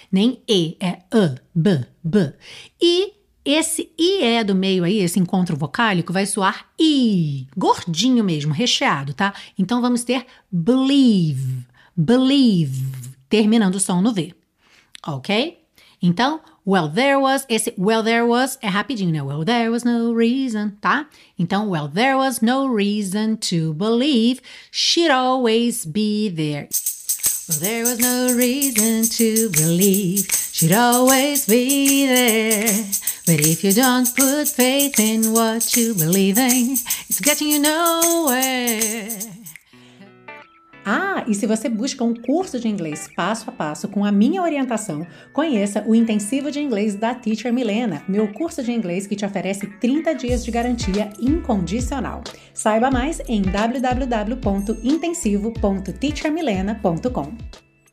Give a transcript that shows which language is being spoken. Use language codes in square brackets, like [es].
[pt] Nem e, é a, b, b. E esse ie do meio aí, esse encontro vocálico, vai soar i, gordinho mesmo, recheado, tá? Então vamos ter believe, believe, terminando o som no v, ok? Então, [en] well, there was, [pt] esse well, there was é rapidinho, né? [en] Well, there was no reason, [pt] tá? Então, [en] well, there was no reason to believe she'd always be there. Well, there was no reason to believe she'd always be there. But if you don't put faith in what you believe in, it's getting you nowhere. [pt] Ah, e se você busca um curso de inglês passo a passo com a minha orientação, conheça o Intensivo de Inglês da Teacher Milena, meu curso de inglês que te oferece 30 dias de garantia incondicional. Saiba mais em www.intensivo.teachermilena.com.